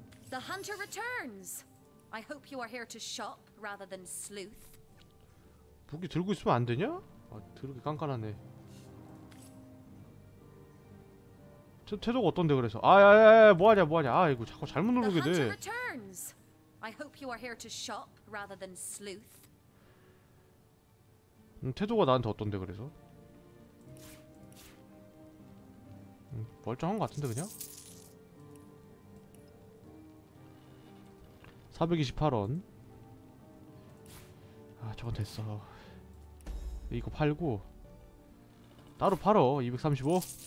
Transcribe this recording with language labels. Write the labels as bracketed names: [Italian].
[English] The hunter returns I hope you are here to shop rather than sleuth. [Korean] 무기 들고 있으면 안 되냐? 아, 드럽게 깐깐하네. 태도가 어떤데 그래서? 아야야야, 뭐하냐 뭐하냐. 아, 이거 자꾸 잘못 누르게 돼. [English] The hunter returns. I hope you are here to shop rather than sleuth. [Korean] 태도가 나한테 어떤데 그래서? 멀쩡한 거 같은데 그냥? 428원 아 저거 됐어 이거 팔고 따로 팔어 235